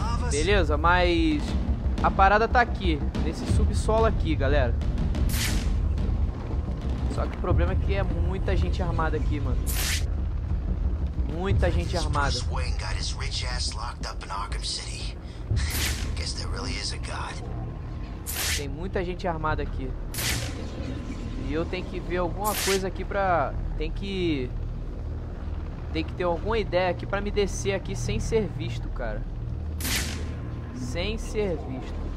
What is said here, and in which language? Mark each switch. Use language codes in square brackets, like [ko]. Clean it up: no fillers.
[pt] Beleza, mas a parada tá aqui, nesse subsolo aqui, galera. Só que o problema é que é muita gente armada aqui, mano. Muita gente armada. [en] Bruce Wayne got his rich ass locked up in Arkham City. Guess there really is a god. [pt] Tem muita gente armada aqui. E eu tenho que ver alguma coisa aqui pra... Tem que ter alguma ideia aqui pra me descer aqui sem ser visto, cara. Sem ser visto.